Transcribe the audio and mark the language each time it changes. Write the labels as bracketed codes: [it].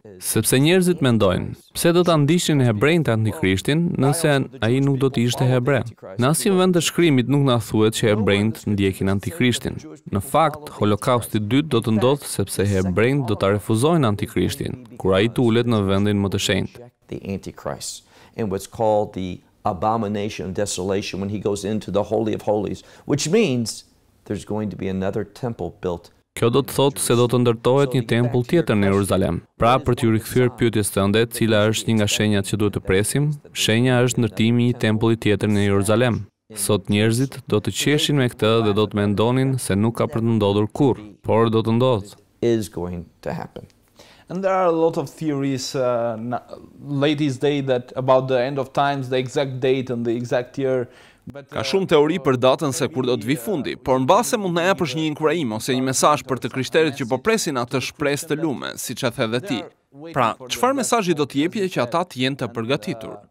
[sq] Sepse njerëzit mendojnë, pse do ta ndiqnin hebrejin të Antikristin nëse ai nuk do të ishte hebre? Në asnjë vend të shkrimit nuk na thuhet që hebrejt ndjekin Antikristin. Në fakt, Holokausti i dytë do të ndodhë sepse hebrejt do ta refuzojnë Antikristin kur ai tulet në vendin më të shenjtë. [en] The Antichrist and what's called the abomination of desolation when he goes into the holy of holies, which means there's going to be another temple built. [sq] Kjo do të thotë se do të ndërtohet një tempull tjetër në Jeruzalem. Pra, për t'ju rikthyer pyetjes tënde, cila është një nga shenjat që duhet të presim? Shenja është ndërtimi i një tempulli tjetër në Jeruzalem. Sot njerëzit do të qeshin me këtë dhe do të mendonin se nuk ka për të ndodhur kurrë, por do të ndodhë. [en] Is going to happen. And there are a lot of theories latest day that about the end of times, the exact date and the exact year. [sq] Ka shumë teori për datën se kur do të vi fundi, por mbase mund na japësh një inkurajim ose një mesazh për të krishterët që po presin atë shpresë të lume, siç e the dhe ti. Pra, çfarë mesazhi do të jepje që ata të jenë të përgatitur?